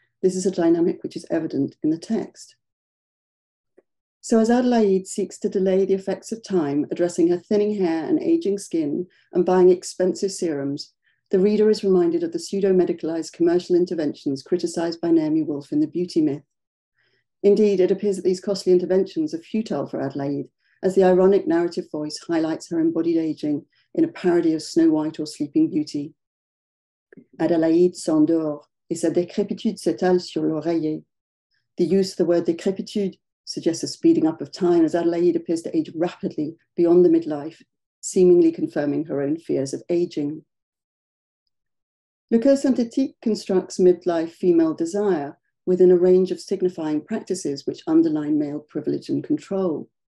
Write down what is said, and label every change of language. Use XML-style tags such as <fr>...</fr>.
<en>This is a dynamic which is evident in the text. So as Adelaide seeks to delay the effects of time, addressing her thinning hair and aging skin and buying expensive serums, the reader is reminded of the pseudo-medicalized commercial interventions criticized by Naomi Wolf in The Beauty Myth. Indeed, it appears that these costly interventions are futile for Adelaide, as the ironic narrative voice highlights her embodied aging in a parody of Snow White or Sleeping Beauty.</en> <fr>Adelaide s'endort et sa décrépitude s'étale sur l'oreiller.</fr> <en>The use of the word décrépitude suggests a speeding up of time as Adelaide appears to age rapidly beyond the midlife, seemingly confirming her own fears of aging. Le Coeur Synthétique constructs midlife female desire within a range of signifying practices which underline male privilege and control.</en>